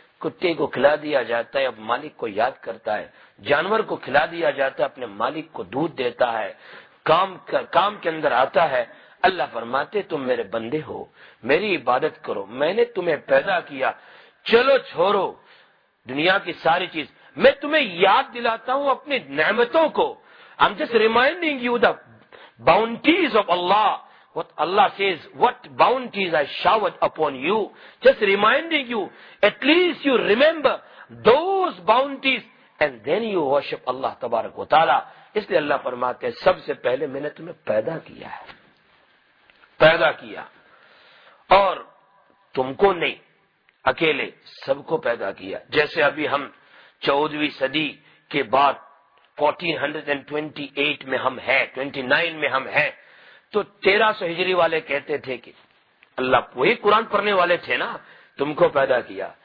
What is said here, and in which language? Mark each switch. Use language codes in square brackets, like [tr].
[ur] کتے کو کھلا دیا جاتا ہے، اب مالک کو یاد کرتا ہے. جانور کو کھلا دیا جاتا ہے، اپنے مالک کو دودھ دیتا ہے، کام کے اندر آتا ہے. اللہ فرماتے تم میرے بندے ہو، میری عبادت کرو، میں نے تمہیں پیدا کیا. چلو چھوڑو دنیا کی ساری چیز، میں تمہیں یاد دلاتا ہوں اپنی نعمتوں کو. [en] I'm just reminding you the bounties of Allah. What Allah says, what bounties I showered upon you. Just reminding you, at least you remember those bounties and then you worship Allah tabarak wa ta'ala. [ur] اس لئے اللہ فرماتے ہیں سب سے پہلے میں نے تمہیں پیدا کیا ہے، پیدا کیا، اور تم کو نہیں اکیلے، سب کو پیدا کیا. جیسے ابھی ہم 14ویں صدی کے بعد 1428 میں ہم ہیں، 29 میں ہم ہیں، تو 1300 ہجری والے کہتے تھے کہ اللہ، وہی قرآن پڑھنے والے تھے نا، تم کو پیدا کیا.